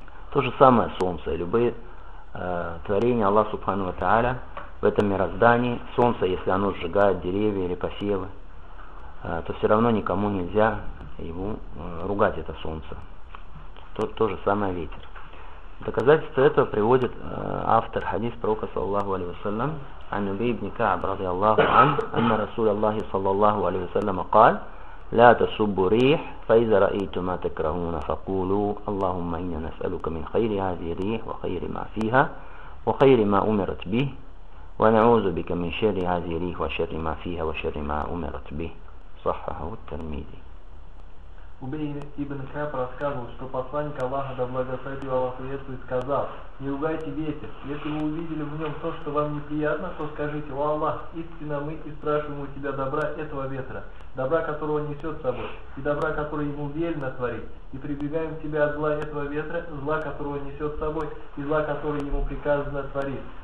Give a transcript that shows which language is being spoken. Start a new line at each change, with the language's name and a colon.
Russian: То же самое солнце, любые творения Аллаха Субхану ва Тааля в этом мироздании. Солнце, если оно сжигает деревья или посевы, то все равно никому нельзя его ругать, это солнце. То же самое ветер. Доказательство этого приводит автор хадис пророка саллаллаху алейхи ва саллям.
Arabic: عن أبي بن كعب رضي الله عنه أن رسول الله صلى الله عليه وسلم قال لا تسبوا ريح فإذا رأيتم ما تكرهون فقولوا اللهم إنا نسألك من خير هذه الريح وخير ما فيها وخير ما أمرت به ونعوذ بك من شر هذه الريح وشر ما فيها وشر ما أمرت به. صححه الترمذي.
Russian: Убей ибн Кааб рассказывал, что посланник Аллаха да благословил Аллах приветствует, сказал: «Не ругайте ветер. Если вы увидели в нем то, что вам неприятно, то скажите: «О Аллах, истинно мы и спрашиваем у тебя добра этого ветра, добра, которого несет с собой, и добра, которое ему велено творить, и прибегаем к тебе от зла этого ветра, зла, которого несет с собой, и зла, которое ему приказано творить».